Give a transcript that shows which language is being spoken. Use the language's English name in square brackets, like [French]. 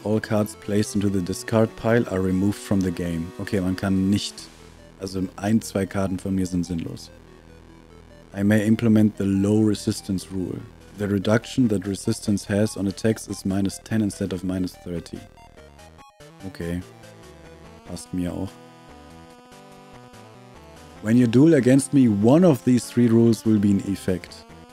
[English] All cards placed into the discard pile are removed from the game. [German] Okay, man kann nicht... Also ein, zwei Karten von mir sind sinnlos. [English] I may implement the low resistance rule. The reduction that resistance has on attacks is minus 10 instead of minus 30. Okay. [German] Passt mir auch. [English] When you duel against me, one of these three rules will be in effect.